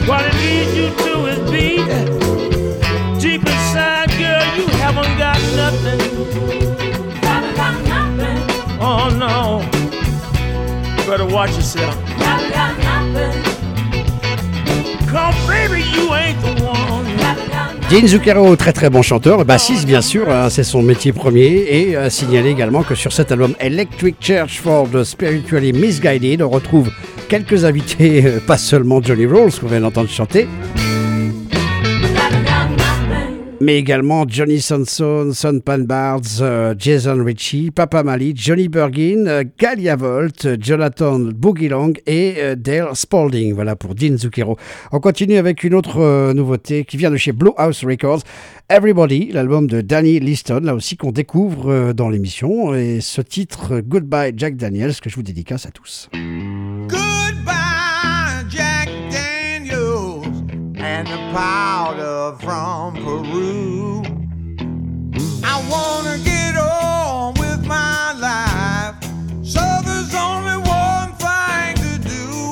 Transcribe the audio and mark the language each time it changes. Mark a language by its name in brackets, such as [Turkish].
[English] While he leads you to his beat, deep inside, girl, you haven't got nothing. Haven't got nothing. Oh no, better watch yourself. Haven't got nothing. Come, baby, you ain't the one. [French] Dean Zucchero, très très bon chanteur, bassiste bien sûr, hein, c'est son métier premier, et signaler également que sur cet album Electric Church for the Spiritually Misguided, on retrouve quelques invités, pas seulement Johnny Rawls qu'on vient d'entendre chanter, mais également Johnny Sansone, Son Panbards, Jason Ritchie, Papa Mali, Johnny Bergin, Galia Volt, Jonathan Boogie Long et Dale Spalding. Voilà pour Dean Zucchero. On continue avec une autre nouveauté qui vient de chez Blue House Records, Everybody, l'album de Danny Liston, là aussi qu'on découvre dans l'émission. Et ce titre, Goodbye Jack Daniels, que je vous dédicace à tous. [English] Goodbye Jack Daniels and the powder from Peru. I wanna get on with my life, so there's only one thing to do.